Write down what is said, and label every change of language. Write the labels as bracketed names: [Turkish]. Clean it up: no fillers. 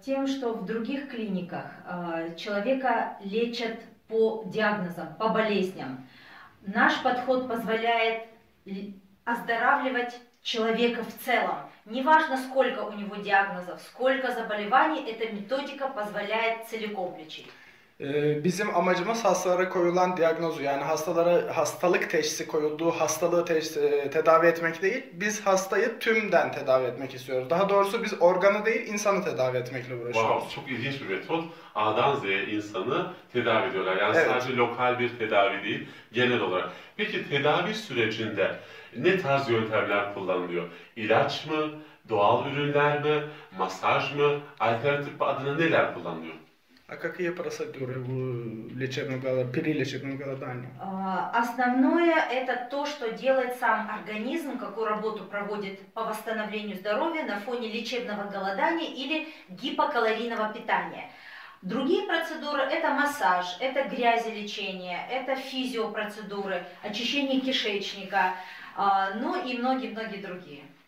[Russian] Тем, что в других клиниках человека лечат по диагнозам, по болезням. Наш подход позволяет оздоравливать человека в целом. Неважно, сколько у него диагнозов, сколько заболеваний, эта методика позволяет целиком лечить. [Turkish] Bizim amacımız hastalara koyulan diagnozu, yani hastalara hastalık teşhisi koyulduğu hastalığı tedavi etmek değil, biz hastayı tümden tedavi etmek istiyoruz. Daha doğrusu biz organı değil, insanı tedavi etmekle uğraşıyoruz. Wow, çok ilginç bir metot. A'dan Z'ye insanı tedavi ediyorlar. Yani evet. Sadece lokal bir tedavi değil, genel olarak. Peki tedavi sürecinde ne tarz yöntemler kullanılıyor? İlaç mı, doğal ürünler mi, masaj mı, alternatif adına neler kullanılıyor? [Russian] А какие процедуры в лечебном голодании, при лечебном голодании? Основное – это то, что делает сам организм, какую работу проводит по восстановлению здоровья на фоне лечебного голодания или гипокалорийного питания. Другие процедуры – это массаж, это грязелечение, это физиопроцедуры, очищение кишечника, ну и многие-многие другие.